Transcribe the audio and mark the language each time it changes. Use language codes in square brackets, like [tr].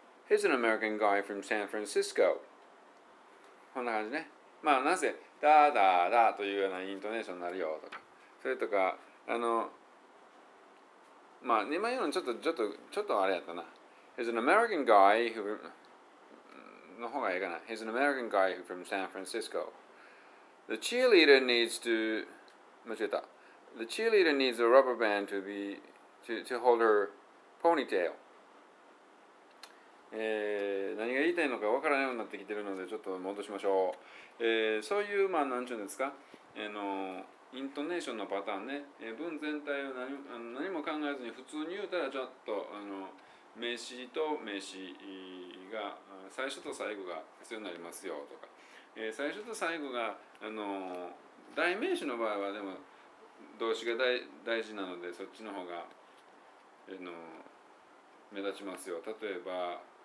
[en] He's an American guy from San Francisco. [ja] こんな感じね。なぜダーダーダーというようなイントネーションになるよとか、それとか、今言うのちょっとあれやったな。 [en] He's an American guy who... [ja] の方がいいかな。 [en] He's an American guy from San Francisco. The cheerleader needs to... [ja] 間違えた。 [en] The cheerleader needs a rubber band to be... To hold her ponytail. [ja] 何が言いたいのかわからないようになってきてるので、ちょっと戻しましょう。そういう、なんちゅうんですか、イントネーションのパターンね、文全体を何も考えずに普通に言うたら、ちょっと名詞と名詞が最初と最後が必要になりますよとか、最初と最後が代名詞の場合は、でも動詞が大事なので、そっちの方が目立ちますよ。例えば